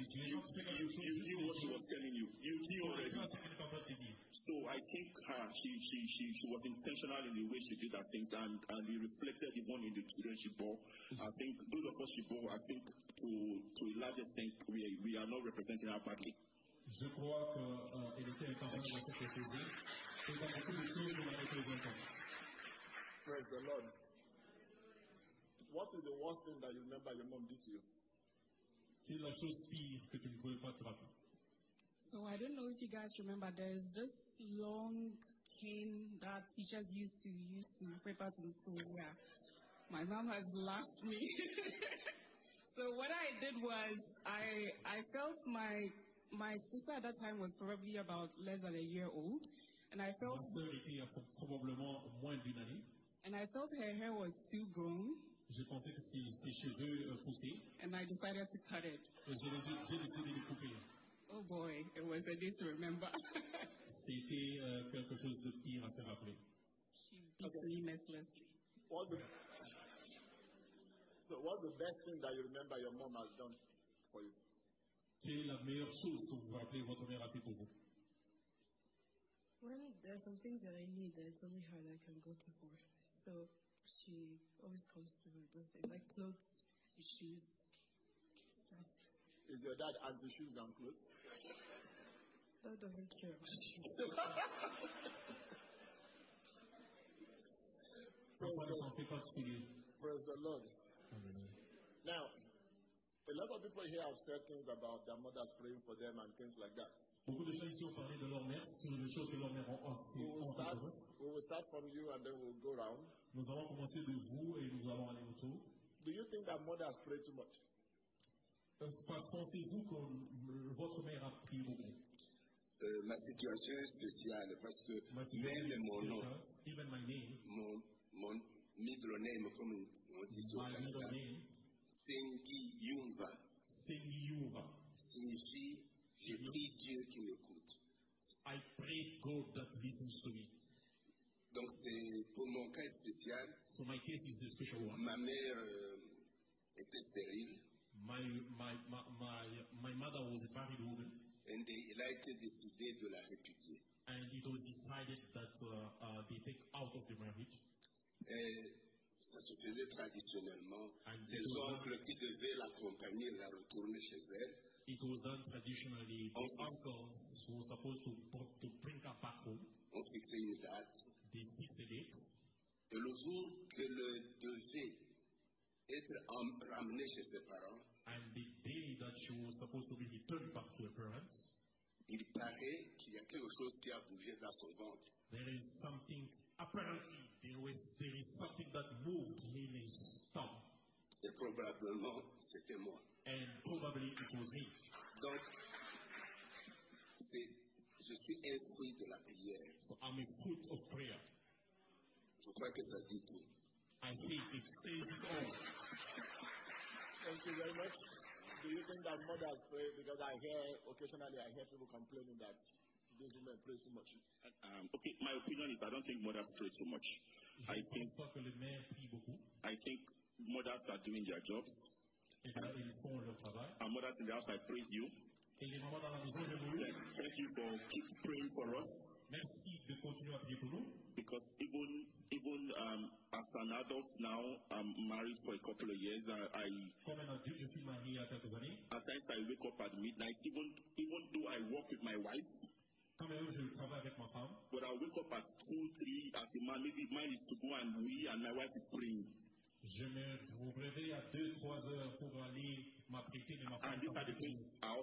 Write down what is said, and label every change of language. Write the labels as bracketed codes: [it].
[en] You see what she was telling you. You see already. So I think she was intentional in the way she did that things, and it reflected even in the children she bore. I think those of us she bore, I think to a large extent we are not representing her badly. [fr] Je crois que elle était intentionnelle dans cette occasion. C'est dans beaucoup de choses que nous la représentons. [en] Praise the Lord. What is the worst thing that you remember your mom did to you? [fr] Quelle est la chose pire que tu ne pouvais pas te rappeler? [en] So I don't know if you guys remember, there's this long cane that teachers used to whip us in school where my mom has lashed me. So what I did was I felt my sister at that time was probably about less than a year old, and I felt her hair was too grown. [fr] Je pensais que ses cheveux poussaient. [en] And I decided to cut it. [fr] J'ai décidé de couper. [en] Oh boy, it was a day to remember. [fr] C'était quelque chose de pire à se rappeler. [en] She beat me mercilessly. What's the best thing that you remember your mom has done for you? [fr] Quelle est la meilleure chose que vous rappelez votre mère a fait pour vous? [en] When there are some things that I need, that it's only her that I can go to for. So she always comes to my birthday, like clothes, shoes, stuff. Is your dad anti shoes and clothes? Dad doesn't care about shoes. Praise the Lord. Mm-hmm. Now, a lot of people here have said things about their mothers praying for them and things like that. [fr] Beaucoup de gens ici ont parlé de leur mère, c'est une chose que leur mère a offert. [en] We'll start from you and then we'll go around. [fr] Nous allons commencer de vous et nous allons aller autour. [en] Do you think that mother has prayed too much? [fr] Pensez-vous que votre mère a prié beaucoup? Ma situation est spéciale parce que même mon nom, [en] even my name, [fr] mon middle name, comme on dit sur le Canada, Sengi Yumba, signifie je prie Dieu qui m'écoute. [en] I pray God that listens to me. [fr] Donc c'est pour mon cas spécial. [en] So my case is a special one. [fr] Ma mère était stérile. [en] My mother was a married woman. And [fr] il a été décidé de la répudier. [en] And it was decided that they take out of the marriage. [fr] Et ça se faisait traditionnellement. [en] And [fr] les oncles qui devaient l'accompagner la retournaient chez elle. [en] It was done traditionally. The uncles who were supposed to bring her back home. [fr] On fixait une date. [en] They fixed a date. [fr] Et le jour que le devait être ramené chez ses parents. [en] And the day that she was supposed to be returned back to her parents. [fr] Il paraît qu'il y a quelque chose qui a bougé dans son ventre. [en] There is something, apparently, there is something that moved in his stomach. [fr] Et probablement, c'était moi. [en] And probably it was me. [fr] Donc, je suis un fruit de la prière. [en] So I'm a fruit of prayer. [fr] Je crois que ça dit tout. [en] I think it says it all. Thank you very much. Do you think that mothers pray? Because I hear people complaining that these women pray too much. Okay, my opinion is I don't think mothers pray too much. I think mothers are doing their job. Our mothers in the house, I praise you. Thank you for keep praying for us. [fr] Merci de continuer à prier pour nous. [en] Because even as an adult now, I'm married for a couple of years. At times I wake up at midnight, even though I work with my wife. But I wake up at 2-3 as a man. Maybe mine is to go and we and my wife is praying. [fr] Je me réveille à 2-3 heures pour aller m'apprêter de